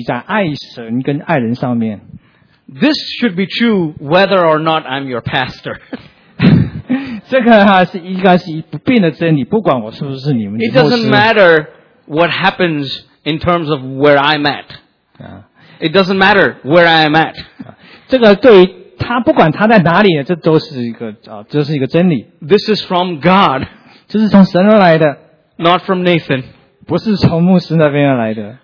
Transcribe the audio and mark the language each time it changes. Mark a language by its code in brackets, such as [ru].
[zh] 所有你做的事情呢，都必须基于在爱神跟爱人上面。 [en] This should be true whether or not I'm your pastor. [zh] 这个哈是应该是不变的真理，不管我是不是你们的牧师。 [en] It doesn't matter what happens in terms of where I'm at. It doesn't matter where I am at. [zh] 这个对于他不管他在哪里，这都是一个真理。 [en] This is from God. [zh] 这是从神而来的。 [en] Not from Nathan. [zh] 不是从牧师那边而来的。